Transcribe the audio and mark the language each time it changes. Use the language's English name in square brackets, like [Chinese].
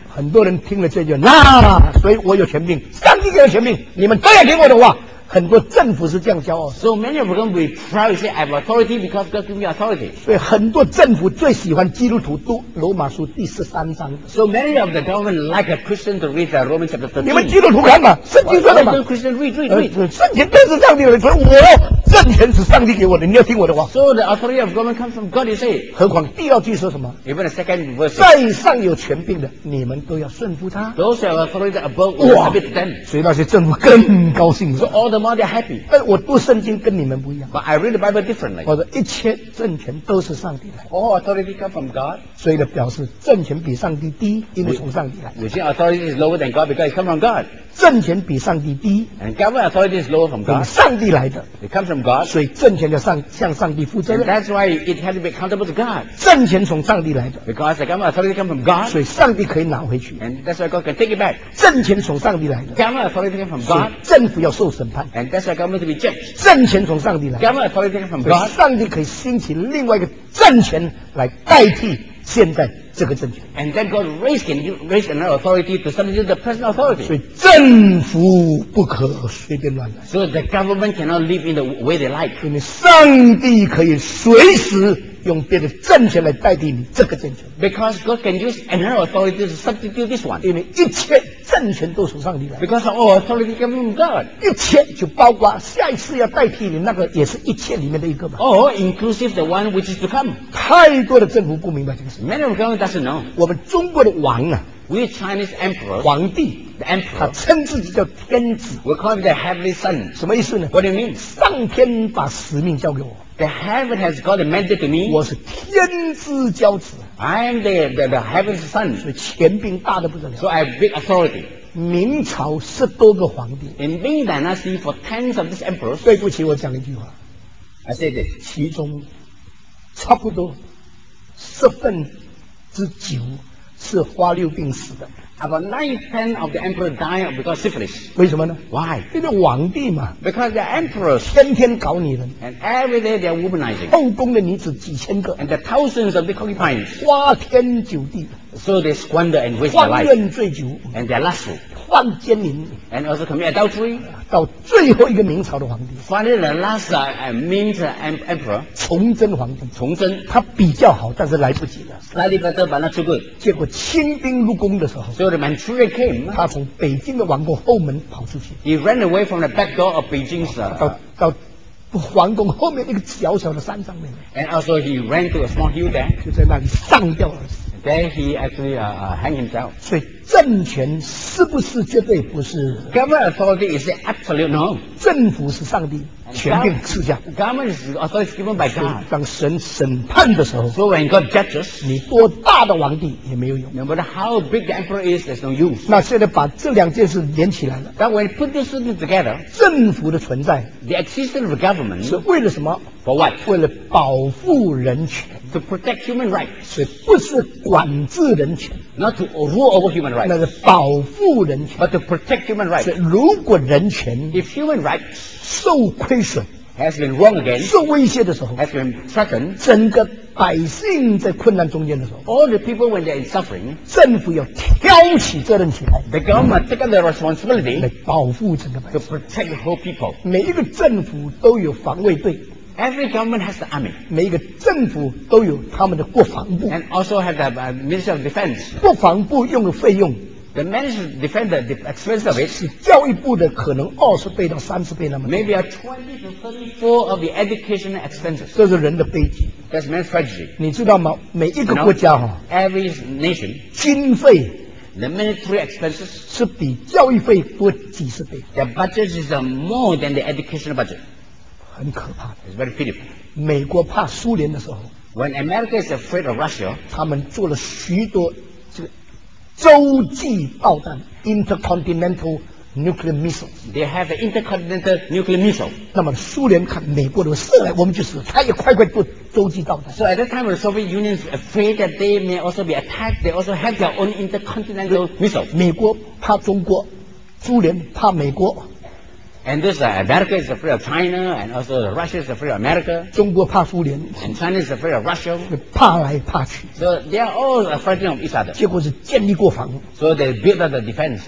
[Chinese] 很多人听了这句，那所以我有权柄，上帝给我权柄，你们都要听我的话。很多政府是这样骄傲。 [English] So many of them will proud say, I have authority because God gives me authority. [Chinese] 所以很多政府最喜欢基督徒读罗马书第十三章。 [English] So many of the government like a Christian to read the Romans chapter 13. [Chinese] 你们基督徒看嘛，圣经说的嘛。 [English] Well, Christian read. [Chinese] 圣经都是上帝的，所以我政权是上帝给我的，你要听我的话。 [English] So the authority of government comes from God, you say. [Chinese] 何况第二句说什么 [English] ？Even the second verse. [Chinese] 在上有权柄的，你们都要顺服他。 [English] Those have authority above will submit them. [Chinese] 所以那些政府更高兴了。 [English] So all the more they're happy. [Chinese] 但我读圣经跟你们不一样。 [English] But I read the Bible differently. [Chinese] 我说一切政权都是上帝的。 [English] All authority comes from God. [Chinese] 所以呢，表示政权比上帝低，因为从上帝来。 [English] You see, authority is lower than God because it comes from God. [Chinese] 政权比上帝低。 [English] And government authority is lower from God. [Chinese] 从上帝来的。 [English] It comes from God. [Chinese] 所以政权要向上帝负责任。 [English] And that's why it has to be accountable to God. [Chinese] 政权从上帝来的。 [English] Because the government authority comes from God. [Chinese] 所以上帝可以拿回去。 [English] And that's why God can take it back. [Chinese] 政权从上帝来的。 [English] Government authority comes from God. [Chinese] 政府要受审判。 [English] And that's why government to be judged. [Chinese] 政权从上帝来。 [English] Government authority comes from God. [Chinese] 上帝可以兴起另外一个政权来代替现在这个政权。 [English] And then God raised another authority to substitute the present authority. [Chinese] 所以政府不可随便乱来。 [English] So the government cannot live in the way they like. [Chinese] 因为上帝可以随时用别的政权来代替你这个政权。 [English] Because God can use another authority to substitute this one. [Chinese] 因为一切政权都从上帝来。 [English] Because all authority comes from God. [Chinese] 一切就包括下一次要代替你那个也是一切里面的一个吧。 [English] Or inclusive the one which is to come. [Chinese] 太多的政府不明白这个事。 [English] Many of government doesn't know. [Chinese] 我们中国的王啊。 [English] We Chinese emperor. [Chinese] 皇帝。 [English] The emperor. [Chinese] 他称自己叫天子。 [English] We call him the heavenly son. [Chinese] 什么意思呢 [English] ?What do you mean? [Chinese] 上天把使命交给我。 [English] The heaven has got a mandate to me. [Chinese] 我是天之骄子。 [English] I'm the heaven's son. [Chinese] 所以权柄大得不得了。 [English] So I have big authority. [Chinese] 明朝10多个皇帝。 [English] In Ming Dynasty for tens of these emperors. [Chinese] 对不起，我讲一句话。 [English] I said, [Chinese] 其中差不多十分之九是花柳病死的。 [English] About 9/10 of the emperor died because syphilis. [Chinese] 为什么呢 [English] ？Why？ [Chinese] 因为皇帝嘛。 [English] Because the emperors [Chinese] 天天搞女人。 [English] And every day they're womanizing. [Chinese] 后宫的女子几千个。 [English] And the thousands of the concubines. [Chinese] 花天酒地。 [English] So they squander and waste their life. [Chinese] 荒淫醉酒。 [English] And they're lustful. [Chinese] 犯奸淫。 [English] And also commit adultery. [Chinese] 到最后一个明朝的皇帝。 [English] Finally, the last Ming emperor. [Chinese] 崇祯皇帝。崇祯。他比较好，但是来不及了。 [English] Slightly better, but not too good. [Chinese] 结果清兵入宫的时候。 [English] So the Manchurian came. [Chinese] 他从北京的王宫后门跑出去。 [English] He ran away from the back door of Beijing's. [Chinese] 到皇宫后面那个小小的山上面。 [English] And also he ran to a small hill there. [Chinese] 就在那里上吊而死。 [English] Then he actually hang himself. [Chinese] 所以政权是不是绝对不是 [English] ？Government authority is absolute no. [Chinese] 政府是上帝权柄赐下。 [English] Government authority is given by God. [Chinese] 当神审判的时候 [English] ，So when God judges, [Chinese] 你多大的皇帝也没有用。 [English] No matter how big the emperor is, there's no use. [Chinese] 那现在把这两件事连起来了。 [English] That when put these things together, [Chinese] 政府的存在 [English] ，the existence of government, [Chinese] 是为了什么 [English] ？For what? [Chinese] 为了保护人权。 [English] To protect human rights, [Chinese] 是不是管制人权 [English] ？Not to rule over human rights, [Chinese] 那是保护人权。 [English] But to protect human rights, [Chinese] 是如果人权 [English] ，if human rights [Chinese] 受亏损 [English] ，has been wrong again， [Chinese] 受威胁的时候 [English] ，has been threatened， [Chinese] 整个百姓在困难中间的时候 [English] ，all the people when they're in suffering， [Chinese] 政府要挑起责任起来 [English] ，the government take the responsibility [Chinese] 来保护整个百姓 [English] ，to protect the whole people， [Chinese] 每一个政府都有防卫队。 [English] Every government has an army. [Chinese] 每一个政府都有他们的国防部。 [English] And also has a Ministry of Defense. [Chinese] 国防部用的费用 [English] ，the Ministry of Defense the expense of it [Chinese] 是教育部的可能20倍到30倍那么多。 [English] Maybe a 20 to 34 of the education expenses. [Chinese] 这是人的悲剧。 [English] That's man's tragedy. [Chinese] 你知道吗？每一个国家哈 [English] ，every nation [Chinese] 经费 [English] ，the military expenses [Chinese] 是比教育费多几十倍。 [English] The budget is more than the education budget. [Chinese] 很可怕的 [English] It's very pitiful. [Chinese] 美国怕苏联的时候 [English] When America is afraid of Russia [Chinese] 他们做了许多这个洲际导弹 [English] Intercontinental Nuclear Missiles They have an intercontinental nuclear missile [Chinese] 那么苏联看美国的射来我们就死他也快快做洲际导弹 [English] So at that time the Soviet Union is afraid that they may also be attacked They also have their own intercontinental missile [Chinese] 美国怕中国苏联怕美国 [English] And this America is afraid of China, and also Russia is afraid of America. [Chinese] 中国怕苏联 [English] And China is afraid of Russia. [Chinese] 怕来怕去 [English] So they are all afraid of each other. [Chinese] 结果是建立国防 [English] So they build up the defense.